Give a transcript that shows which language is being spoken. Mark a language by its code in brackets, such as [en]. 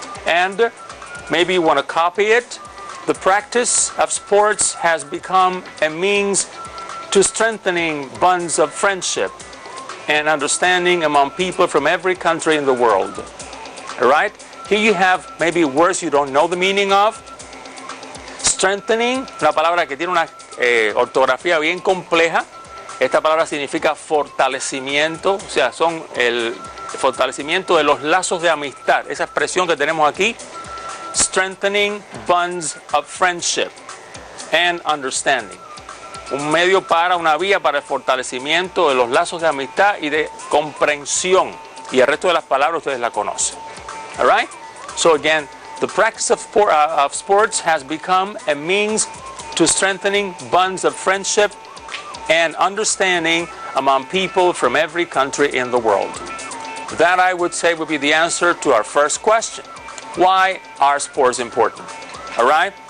[en] And maybe you want to copy it. The practice of sports has become a means to strengthening bonds of friendship and understanding among people from every country in the world. All right? Here you have maybe words you don't know the meaning of. [es] Strengthening, una palabra que tiene una ortografía bien compleja. Esta palabra significa fortalecimiento, o sea, son el fortalecimiento de los lazos de amistad. Esa expresión que tenemos aquí, [en] strengthening bonds of friendship and understanding. [es] Un medio para, una vía para el fortalecimiento de los lazos de amistad y de comprensión. Y el resto de las palabras ustedes la conocen. [en] All right? So again, the practice of sports has become a means to strengthening bonds of friendship and understanding among people from every country in the world. That, I would say, would be the answer to our first question. Why are sports important? All right?